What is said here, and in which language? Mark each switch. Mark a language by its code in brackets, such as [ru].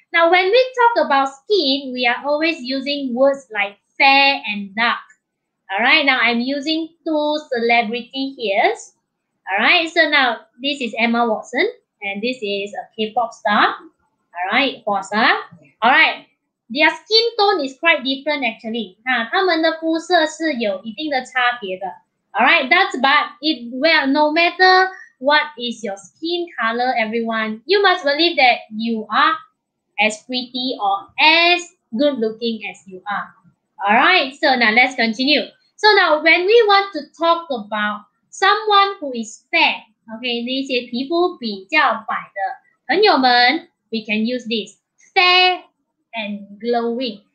[en] Now, when we talk about skin, we are always using words like fair and dark. All right, now I'm using two celebrity here. All right, so now this is Emma Watson and this is a K-pop star. All right, Fosa. All right, their skin tone is quite different actually. [zh] 他们的肤色是有一定的差别的. [en] All right, that's but it. Well, no matter what is your skin color, everyone, you must believe that you are as pretty or as good looking as you are. All right, so now let's continue. So now when we want to talk about someone who is fair, okay, [zh] 那些皮肤比较白的朋友们, [en] we can use this, fair and glowing.